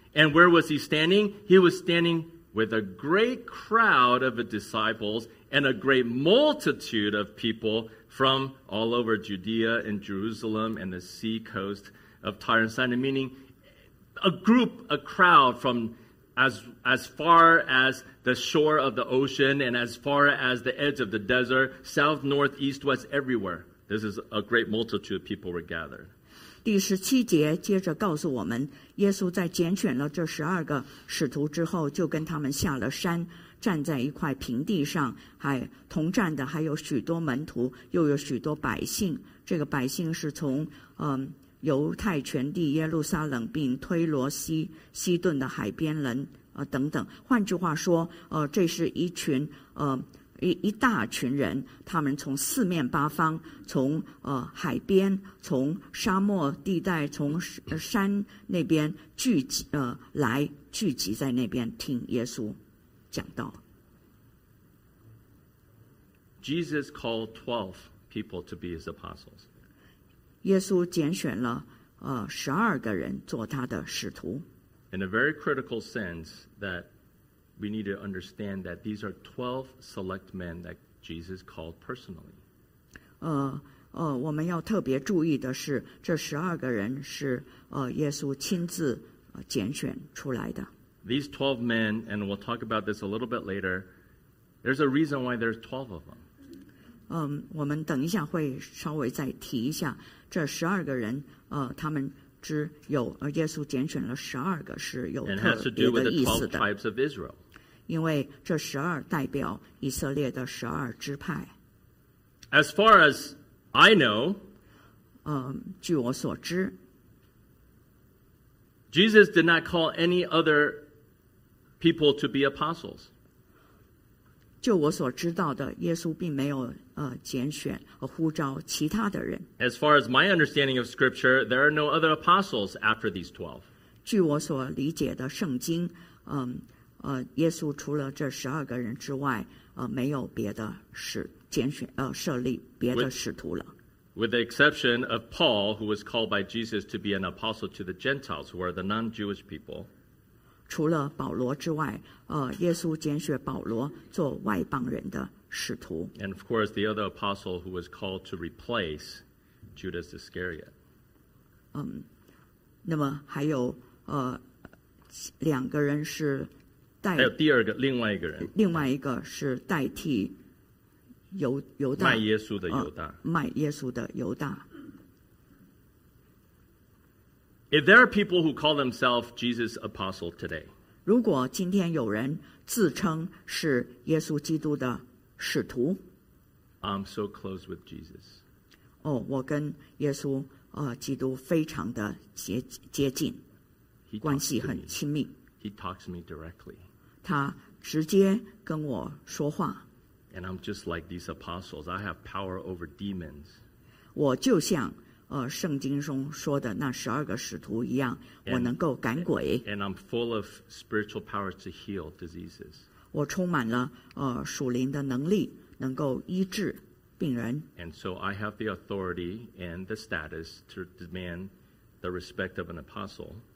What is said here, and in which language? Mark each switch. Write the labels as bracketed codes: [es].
[en] And where was he standing? He was standing with a great crowd of disciples and a great multitude of people from all over Judea and Jerusalem and the sea coast of Tyre and Sidon, meaning a crowd from as far as the shore of the ocean and as far as the edge of the desert, south, north, east, west, everywhere. This is a great multitude of people were gathered. [zh] 第十七节接着告诉我们，耶稣在拣选了这十二个使徒之后，就跟他们下了山，站在一块平地上，还同站的还有许多门徒，又有许多百姓。这个百姓是从犹太全地、耶路撒冷并推罗西顿的海边人等等。换句话说，这是一群一大群人，他们从四面八方，从海边，从沙漠地带，从山那边聚集在那边听耶稣讲道。 [en] Jesus called 12 people to be his apostles. [zh] 耶稣拣选了十二个人做他的使徒。 [en] In a very critical sense that we need to understand that these are 12 select men that Jesus called personally. [zh] 我们要特别注意的是，这十二个人是耶稣亲自拣选出来的。 [en] These 12 men, and we'll talk about this a little bit later, there's a reason why there's 12 of them. [zh] 我们等一下会稍微再提一下，这十二个人他们只有耶稣拣选了十二个是有特别的意思的。 [en] And has to do with the 12 tribes of Israel. [zh] 因为这十二代表以色列的十二支派。 [en] As far as I know, [zh] 据我所知， [en] Jesus did not call any other people to be apostles. [zh] 就我所知道的，耶稣并没有拣选和呼召其他的人。 [en] As far as my understanding of Scripture, there are no other apostles after these 12. [zh] 据我所理解的圣经，耶稣除了这十二个人之外，没有别的设立别的使徒了。 [en] With the exception of Paul, who was called by Jesus to be an apostle to the Gentiles, who are the non-Jewish people. [zh] 除了保罗之外，耶稣拣选保罗做外邦人的。 [en] And of course, the other apostle who was called to replace Judas Iscariot. [zh] 那么还有两个人是代。还有第二个，另外一个人。另外一个是代替犹大。卖耶稣的犹大。卖耶稣的犹大。 [en] If there are people who call themselves Jesus' apostle today, [zh] 如果今天有人自称是耶稣基督的。使徒, [en] I'm so close with Jesus. [zh] Oh, 我跟耶稣基督非常的接近，关系很亲密。 [en] He talks to me directly. [zh] 他直接跟我说话。 [en] And I'm just like these apostles. I have power over demons. [zh] 我就像圣经中说的那十二个使徒一样，我能够赶鬼。 [en] And I'm full of spiritual power to heal diseases. [zh] 我充满了属灵的能力，能够医治病人。 [en] And so I have the authority and the status to demand the respect of an apostle.